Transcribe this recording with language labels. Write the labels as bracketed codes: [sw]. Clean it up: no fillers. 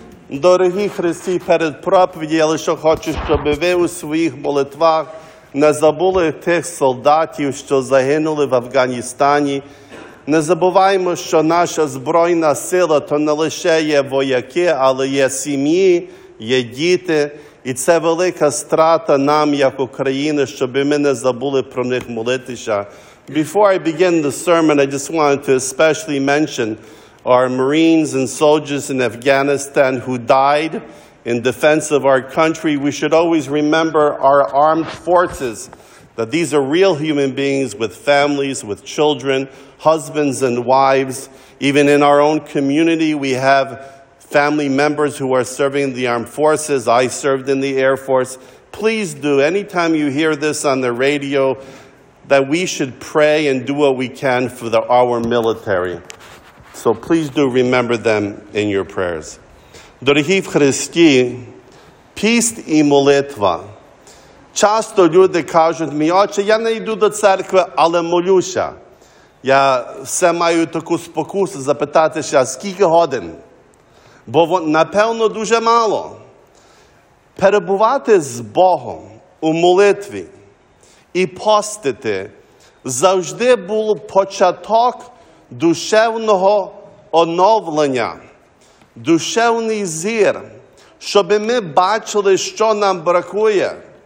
[uk] Дорогі Христі, перед проповіді я лише хочу, щоб ви у своїх молитвах не забули тих солдатів, що загинули в Афганістані. Не забуваємо, що наша збройна сила – то не лише є вояки, але є сім'ї, є діти. І це велика страта нам, як Україна, щоб ми не забули про них молитися. [en] Before I begin the sermon, I just wanted to especially mention our Marines and soldiers in Afghanistan who died in defense of our country. We should always remember our armed forces, that these are real human beings with families, with children, husbands and wives. Even in our own community, we have family members who are serving the armed forces. I served in the Air Force. Please do, anytime you hear this on the radio, that we should pray and do what we can for our military. So please do remember them in your prayers. [uk] Дорогі в Христі, піст і молитва. Часто люди кажуть мені, отче, я не йду до церкви, але молюся. Я все маю таку спокусу запитатися, скільки годин? Бо, напевно, дуже мало. Перебувати з Богом у молитві і постити завжди був початок душевного оновлення, душевний зір, щоб ми бачили, що нам бракує.